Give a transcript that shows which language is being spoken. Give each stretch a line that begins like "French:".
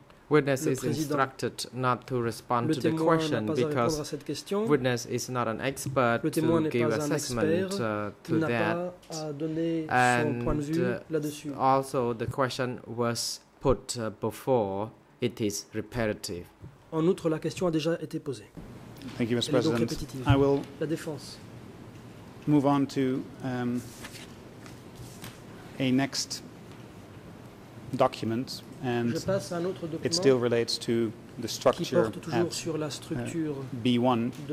English: Witness is instructed not to respond to the question because witness is not an expert to give assessment to that. And also the question was put before, it is repetitive.
French: En outre, la question a déjà été posée.
English: Thank you, Mr. President. I will move on to a next document, and it still relates to the structure at B1.